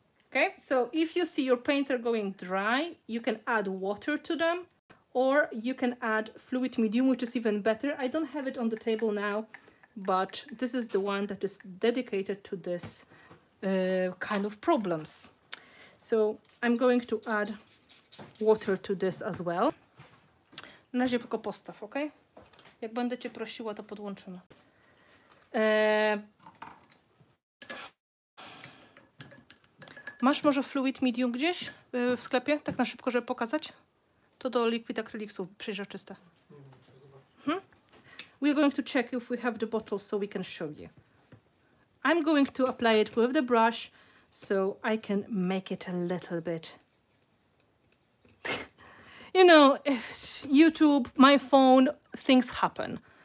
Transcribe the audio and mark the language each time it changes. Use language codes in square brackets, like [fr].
[en] Okay, so if you see your paints are going dry, you can add water to them, or you can add fluid medium, which is even better. I don't have it on the table now, but this is the one that is dedicated to this kind of problems. So I'm going to add water to this as well. [pl] Na razie tylko postaw, okay? Jak będę cię prosiła, to podłączymy. Masz może fluid medium gdzieś w sklepie? Tak na szybko, żeby pokazać? To do liquid acrylicsów, przejrzyste. Hmm? [en] We're going to check if we have the bottles so we can show you. I'm going to apply it with the brush so I can make it a little bit. You know, if YouTube, my phone, things happen.